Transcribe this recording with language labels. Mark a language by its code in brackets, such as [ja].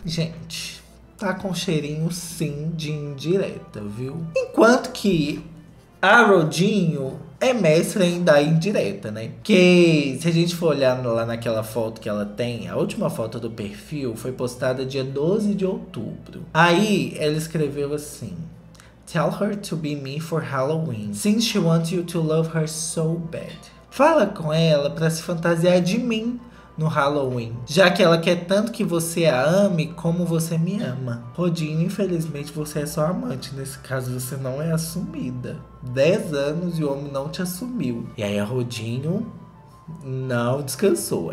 [pt] Gente, tá com cheirinho sim de indireta, viu? Enquanto que a Rodinho é mestre em dar indireta, né? Que se a gente for olhar lá naquela foto que ela tem, a última foto do perfil foi postada dia 12 de outubro. Aí ela escreveu assim: [en] Tell her to be me for Halloween, since she wants you to love her so bad. [pt] Fala com ela pra se fantasiar de mim no Halloween, já que ela quer tanto que você a ame como você me ama. Rodinho, infelizmente você é só amante, nesse caso você não é assumida. 10 anos e o homem não te assumiu. E aí a Rodinho não descansou.